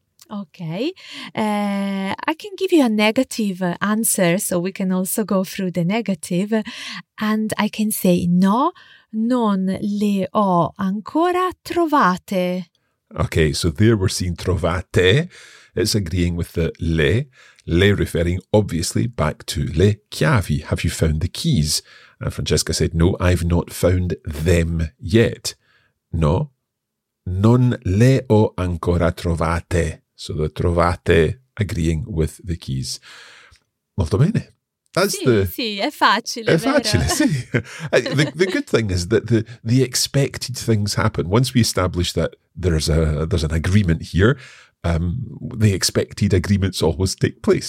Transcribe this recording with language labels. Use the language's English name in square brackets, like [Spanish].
[English] Okay, I can give you a negative answer, so we can also go through the negative, and I can say [Italian] no, non le ho ancora trovate. [English] Okay, so there we're seeing trovate, it's agreeing with the le referring obviously back to [Italian] le chiavi, [English] have you found the keys? And Francesca said no, I've not found them yet. [Italian] No, non le ho ancora trovate. [English] So the trovate agreeing with the keys. [Italian] Molto bene. Sì, è facile. È facile, sì. [English] The good thing is that the expected things happen. Once we establish that there's an agreement here, the expected agreements always take place.